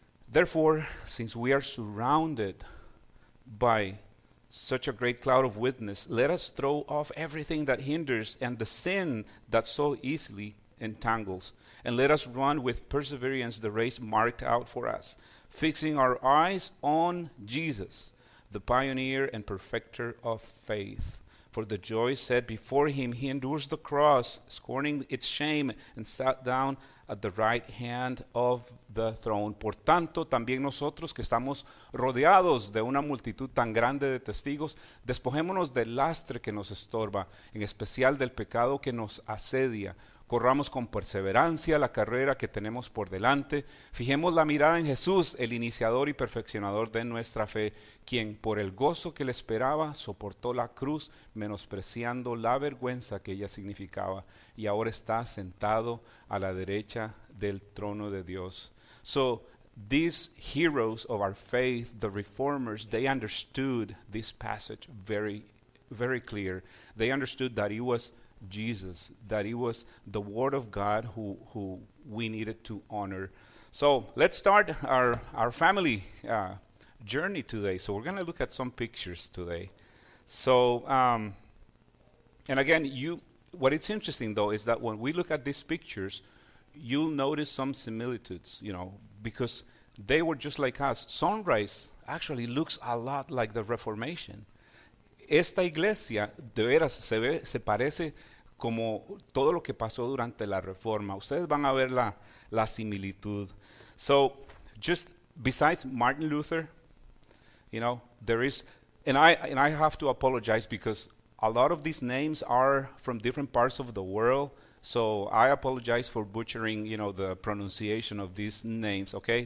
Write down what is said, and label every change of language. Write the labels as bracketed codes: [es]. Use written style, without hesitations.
[en] Therefore, since we are surrounded by such a great cloud of witness, let us throw off everything that hinders and the sin that so easily entangles, and let us run with perseverance the race marked out for us, fixing our eyes on Jesus, the pioneer and perfecter of faith. For the joy set before him, he endures the cross, scorning its shame, and sat down at the right hand of the throne. [es] Por tanto, también nosotros que estamos rodeados de una multitud tan grande de testigos, despojémonos del lastre que nos estorba, en especial del pecado que nos asedia. Corramos con perseverancia la carrera que tenemos por delante. Fijemos la mirada en Jesús, el iniciador y perfeccionador de nuestra fe, quien por el gozo que le esperaba soportó la cruz, menospreciando la vergüenza que ella significaba, y ahora está sentado a la derecha del trono de Dios. [en] So, these heroes of our faith, the reformers, they understood this passage very, very clear. They understood that it was Jesus, that it was the word of God who we needed to honor. So let's start our family journey today. So we're going to look at some pictures today. So, and again, what it's interesting though is that when we look at these pictures, you'll notice some similitudes, you know, because they were just like us. Sunrise actually looks a lot like the Reformation. [es] Esta iglesia de veras se ve, se parece como todo lo que pasó durante la Reforma. Ustedes van a ver la similitud. [en] So, just besides Martin Luther, you know, there is, and I have to apologize because a lot of these names are from different parts of the world. So, I apologize for butchering, you know, the pronunciation of these names, okay?